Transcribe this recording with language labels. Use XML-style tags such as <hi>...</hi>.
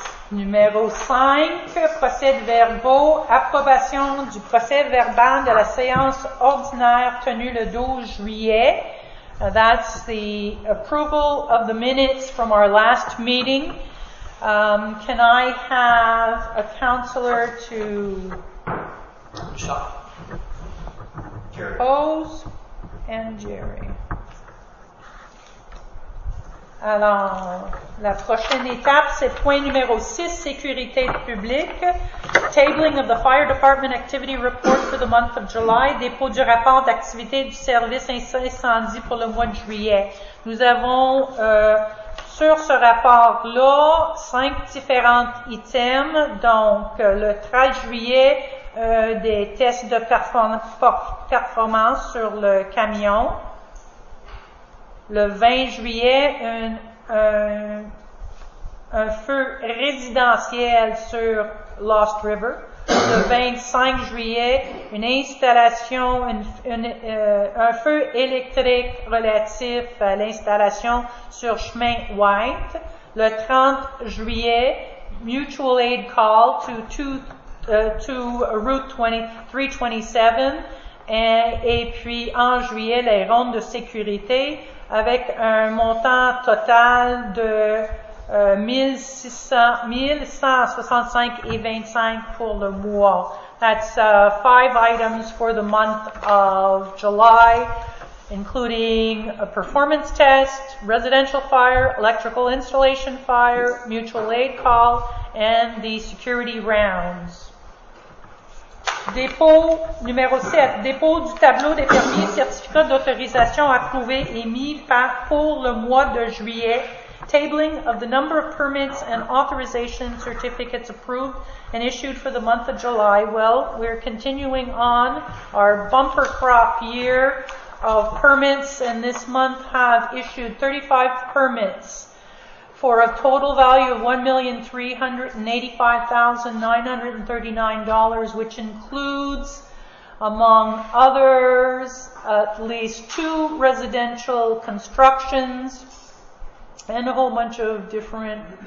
<fr>Numéro 5, procès-verbaux, approbation du procès-verbal de la séance ordinaire tenue le 12 juillet.</fr> <en>That's the approval of the minutes from our last meeting. Can I have a counselor to shop? Pose. And Jerry.</en> <fr>Alors, la prochaine étape, c'est point numéro 6, sécurité publique.</fr> <en>Tabling of the Fire Department Activity Report for the month of July.</en> <fr>Dépôt du rapport d'activité du service incendie pour le mois de juillet. Nous avons sur ce rapport-là 5 différents items. Donc, le 13 juillet, des tests de performance sur le camion. Le 20 juillet, un feu résidentiel sur Lost River. Le 25 juillet, un feu électrique relatif à l'installation sur chemin White. Le 30 juillet,</fr> <en>mutual aid call to Route 327,</en> <fr>et puis en juillet, les rondes de sécurité avec un montant total de 1165,25 pour le mois.</fr> <en>That's 5 items for the month of July, including a performance test, residential fire, electrical installation fire, mutual aid call, and the security rounds.</en> <fr>Dépôt numéro 7, dépôt du tableau des permis et certificats d'autorisation approuvés émis pour le mois de juillet.</fr> <en>Tabling of the number of permits and authorization certificates approved and issued for the month of July. Well, we're continuing on our bumper crop year of permits, and this month have issued 35 permits for a total value of $1,385,939, which includes, among others, at least 2 residential constructions and a whole bunch of different</en>